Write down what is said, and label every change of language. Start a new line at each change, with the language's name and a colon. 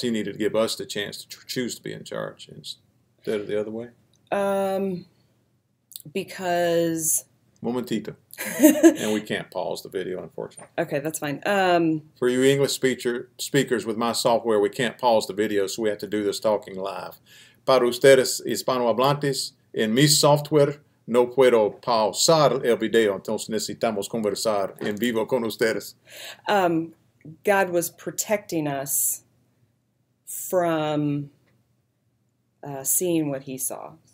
English: he needed to give us the chance to choose to be in charge instead of the other way? Because...
Spanish: Momentito.
English: And we can't pause the video, unfortunately. Okay, that's fine. For you English speakers with my software, we can't pause the video, so we have to do this talking live.
Spanish: Para ustedes hispanohablantes, en mi software... No puedo pausar el video, entonces necesitamos conversar en vivo con ustedes.
English: God was protecting us from seeing what he saw.